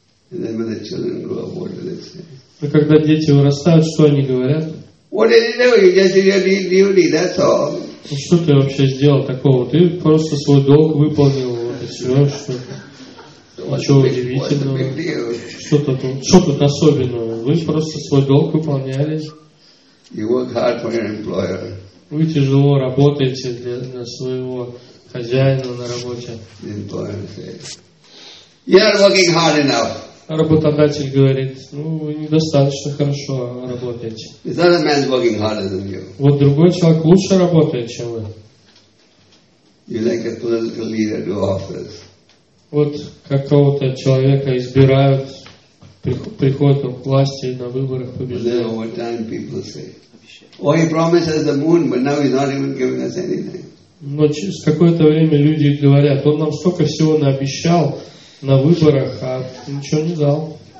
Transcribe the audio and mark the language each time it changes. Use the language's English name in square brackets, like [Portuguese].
[English] And then when the children grow up, what do they say? [Russian] А когда дети вырастают, что они говорят? [English] What did you do? You just did your duty. That's all. [Russian] Ну, что ты вообще сделал такого? Ты просто свой долг выполнил. Вот и все, что. Ничего удивительного. Что тут особенного? Вы просто свой долг выполняли. [English] You work hard for your employer. [Russian] Вы тяжело работаете для своего хозяина на работе. [English] The employer says, you're not working hard enough. [Russian] Работодатель говорит, вы недостаточно хорошо работаете. [English] Is that a man working harder than you? [Russian] Вот другой человек лучше работает, чем вы. [English] You like a political leader to office. [Russian] Вот какого-то человека избирают, приходят к власти на выборах, побеждают. [English] But then over time people say, oh, he promises the moon, but now he's not even giving us anything. [Russian] Но через какое-то время люди говорят, он нам столько всего наобещал, на выборах, а ничего не дал.